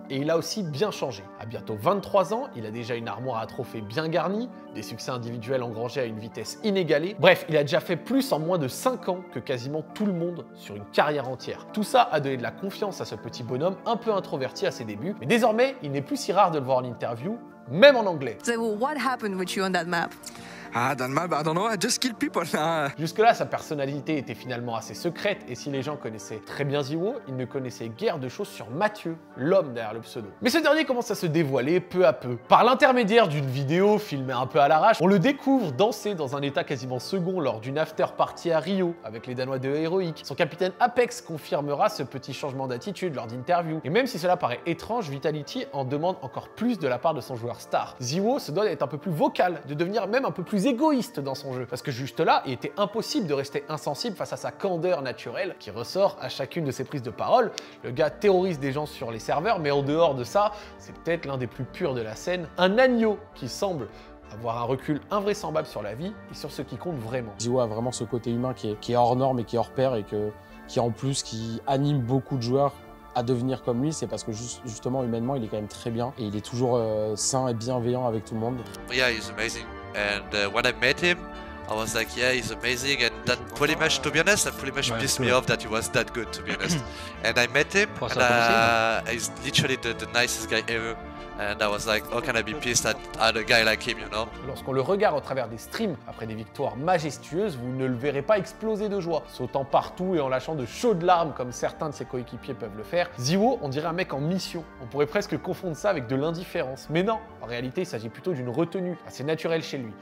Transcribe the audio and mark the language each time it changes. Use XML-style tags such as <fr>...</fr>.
<fr>Et il a aussi bien changé. À bientôt 23 ans, il a déjà une armoire à trophées bien garnie, des succès individuels engrangés à une vitesse inégalée. Bref, il a déjà fait plus en moins de 5 ans que quasiment tout le monde sur une carrière entière. Tout ça a donné de la confiance à ce petit bonhomme un peu introverti à ses débuts. Mais désormais, il n'est plus si rare de le voir en interview, même en anglais.</fr> <en>So, what happened with you on that map? Ah,</en> <fr>dans le map,</fr> <en>I don't know, I just kill people.</en> <fr>Jusque-là, sa personnalité était finalement assez secrète, et si les gens connaissaient très bien ZEO, ils ne connaissaient guère de choses sur Mathieu, l'homme derrière le pseudo. Mais ce dernier commence à se dévoiler peu à peu. Par l'intermédiaire d'une vidéo filmée un peu à l'arrache, on le découvre danser dans un état quasiment second lors d'une after party à Rio avec les Danois de Heroic. Son capitaine Apex confirmera ce petit changement d'attitude lors d'interview. Et même si cela paraît étrange, Vitality en demande encore plus de la part de son joueur star. ZEO se doit d'être un peu plus vocal, de devenir même un peu plus égoïste dans son jeu, parce que juste là, il était impossible de rester insensible face à sa candeur naturelle qui ressort à chacune de ses prises de parole. Le gars terrorise des gens sur les serveurs, mais en dehors de ça, c'est peut-être l'un des plus purs de la scène. Un agneau qui semble avoir un recul invraisemblable sur la vie et sur ce qui compte vraiment. ZEO a vraiment ce côté humain qui est hors norme et qui est hors pair et qui en plus qui anime beaucoup de joueurs à devenir comme lui, c'est parce que justement humainement, il est quand même très bien et il est toujours sain et bienveillant avec tout le monde.</fr> <en>Yeah, he's amazing. And when I met him, I was like, yeah, he's amazing. And that pretty much, to be honest, that pretty much pissed me off that he was that good, to be honest. And I met him, and he's literally the nicest guy ever. And I was like, how can I be pissed at a guy like him, you know?</en> <fr>Lorsqu'on le regarde au travers des streams, après des victoires majestueuses, vous ne le verrez pas exploser de joie, sautant partout et en lâchant de chaudes larmes comme certains de ses coéquipiers peuvent le faire. ZEO, on dirait un mec en mission. On pourrait presque confondre ça avec de l'indifférence. Mais non, en réalité, il s'agit plutôt d'une retenue assez naturelle chez lui.</fr>